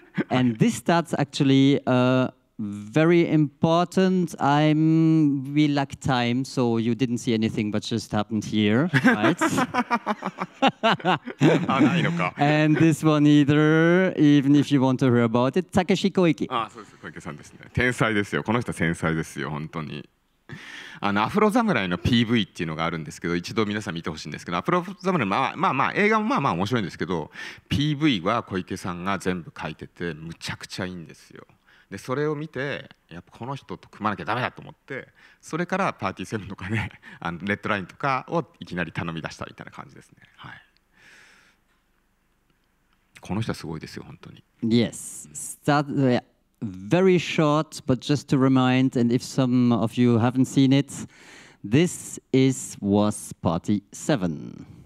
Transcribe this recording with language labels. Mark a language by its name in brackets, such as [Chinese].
[English] And this starts actually very important. We lack time, so you didn't see anything but just happened here, right? And this one either, even if you want to hear about it, Takeshi Koike. Ah, so it's [Japanese] Koike さんですね。天才ですよ。この人天才ですよ。本当に。アフロ侍の PV っていうのがあるんですけど、一度皆さん見てほしいんですけど、アフロ侍、まあ映画もまあまあ面白いんですけど、PV は小池さんが全部書いてて、むちゃくちゃいいんですよ。でそれを見て、やっぱこの人と組まなきゃダメだと思って、それからパーティーセブンとかね、レッドラインとかをいきなり頼み出したみたいな感じですね。はい。この人はすごいですよ、本当に。 [English] Yes. Start there. Very short, but just to remind, and if some of you haven't seen it, this was Party 7.